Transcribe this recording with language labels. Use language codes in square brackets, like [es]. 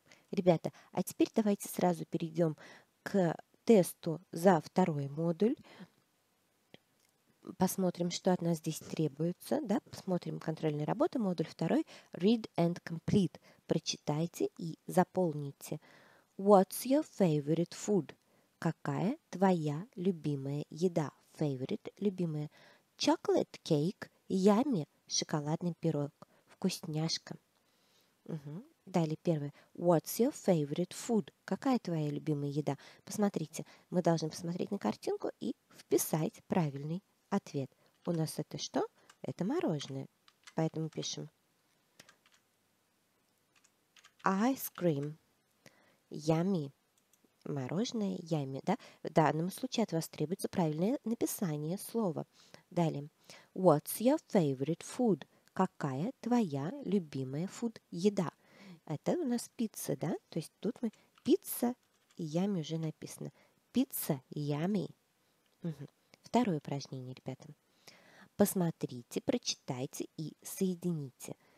[ru] Ребята, а теперь давайте сразу перейдем к тесту за второй модуль. Посмотрим, что от нас здесь требуется. Да? Посмотрим контрольные работы. Модуль второй. [en] Read and complete. [ru] Прочитайте и заполните. [en] What's your favorite food? [ru] Какая твоя любимая еда? Favorite – любимая. [en] Chocolate cake – yummy. [ru] Шоколадный пирог. Вкусняшка. Угу. Далее первое. [en] What's your favorite food? [ru] Какая твоя любимая еда? Посмотрите, мы должны посмотреть на картинку и вписать правильный ответ. У нас это что? Это мороженое. Поэтому пишем. [en] Ice cream. Yummy. [ru] Мороженое, yummy, да? В данном случае от вас требуется правильное написание слова. Далее. [en] What's your favorite food? [ru] Какая твоя любимая food еда? Это у нас пицца, да? То есть тут мы пицца, yummy уже написано. Пицца, yummy. Угу. Второе упражнение, ребята. Посмотрите, прочитайте и соедините.